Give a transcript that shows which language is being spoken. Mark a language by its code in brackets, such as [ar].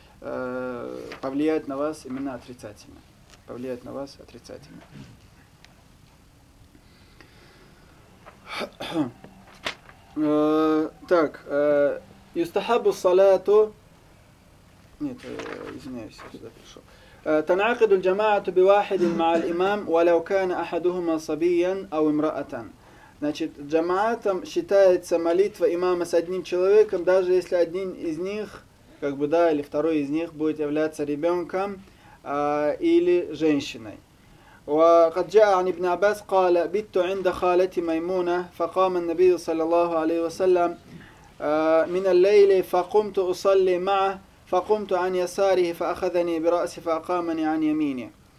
[ru] повлияет на вас именно отрицательно. Повлияет на вас отрицательно. Так, [ar] юстахабу салату. [ru] Нет, извиняюсь, я сюда пришел. [ar] تنعقد الجماعة بواحد مع الإمام ولو كان أحدهما صبيا أو امرأة. [ru] Значит, джамаатом считается молитва имама с одним человеком, даже если один из них, как бы да, или второй из них будет являться ребенком или женщиной. [ar] وقد جاء عن ابن عباس قال بيت عند خالتي ميمونة فقام النبي صلى الله عليه وسلم من الليل فقمت أصلي معه فقمت عن يساره فأخذني برأسي فأقامني عن يميني.